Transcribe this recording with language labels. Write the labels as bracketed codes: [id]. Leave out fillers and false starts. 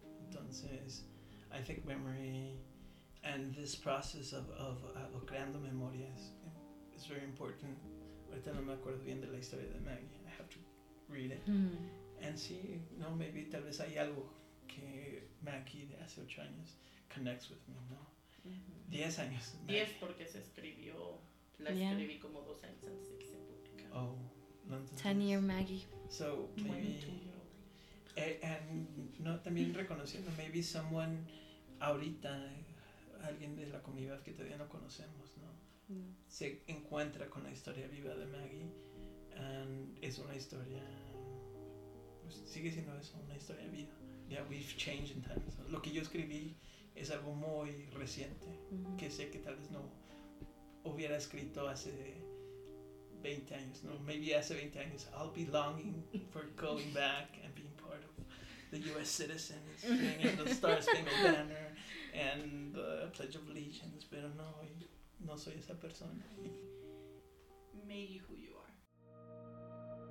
[en] Entonces, I think memory and this process of [es] creando memoria [en] is very important. [es] Ahorita no me acuerdo bien de la historia de Maggie. [en] I have to read it. [es] Mm. [en] And see, no, maybe [es] tal vez hay algo que Maggie de hace 8 años [en] connects with me, [es] ¿no? Mm-hmm. 10 años. Maggie. 10 porque se escribió, escribí como 2 años antes de que se publicara. Oh, no, [en] entonces, 10 year Maggie. So, maybe. 22-year-old. And no, [es] también reconociendo, [en] maybe someone [es] ahorita, alguien de la comunidad que todavía no conocemos, ¿no? No. Se encuentra con la historia viva de Maggie, and es una historia, pues sigue siendo eso, una historia viva. [en] Yeah, we've changed in time. [es] So, lo que yo escribí es algo muy reciente, mm-hmm. que sé que tal vez no hubiera escrito hace 20 años, no, [en] maybe [es] hace 20 años. [en] I'll be longing for going back and being part of the U.S. citizens, singing the Star Spangled Banner and the Pledge of Allegiance, [es] pero no, no soy esa persona. [en] Maybe who you are.